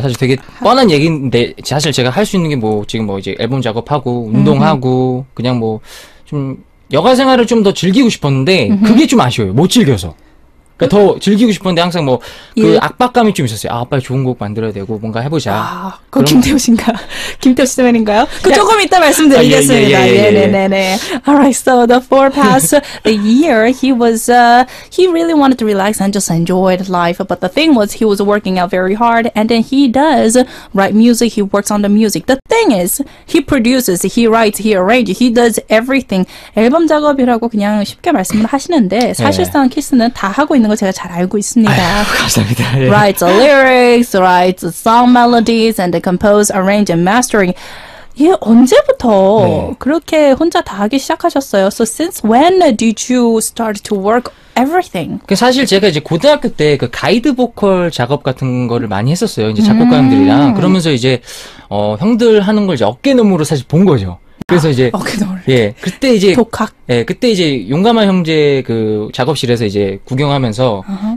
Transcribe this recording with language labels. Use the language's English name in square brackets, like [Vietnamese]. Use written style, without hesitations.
[Korean] 사실 되게 뻔한 얘기인데, 사실 제가 할 수 있는 게 뭐, 지금 뭐 이제 앨범 작업하고, 운동하고, 그냥 뭐, 좀 여가 생활을 좀 더 즐기고 싶었는데, 그게 좀 아쉬워요. 못 즐겨서. 그러니까 더 즐기고 싶었는데 항상 뭐 그 예. 압박감이 좀 있었어요. 아, 빨리 좋은 곡 만들어야 되고 뭔가 해보자. 아, 그거 김태우신가? 김태우 시스템인가요? 그 조금 이따 말씀드리겠습니다. 아, 예. 네네네. [English] Alright, so the for past year, he was he really wanted to relax and just enjoyed life. But the thing was, he was working out very hard, and then he does write music. He works on the music. The thing is, he produces, he writes, he arranges, he does everything. [Korean] 앨범 작업이라고 그냥 쉽게 말씀을 하시는데 사실상 키스는 다 하고. 있는 거 제가 잘 알고 있습니다. 아유, 감사합니다. 예. [English] Writes the lyrics, writes the song melodies, and compose, arrange, and mastering. [Korean] 예, 언제부터 네. 그렇게 혼자 다 하기 시작하셨어요? [English] So since when did you start to work everything? [Korean] 그 사실 제가 이제 고등학교 때 그 가이드 보컬 작업 같은 거를 많이 했었어요. 이제 작곡가님들이랑 그러면서 이제 형들 하는 걸 이제 어깨너머로 사실 본 거죠. 그래서 이제 어깨 너울. 예, 그때 이제 독학. 예, 그때 이제 용감한 형제 그 작업실에서 이제 구경하면서 uh-huh.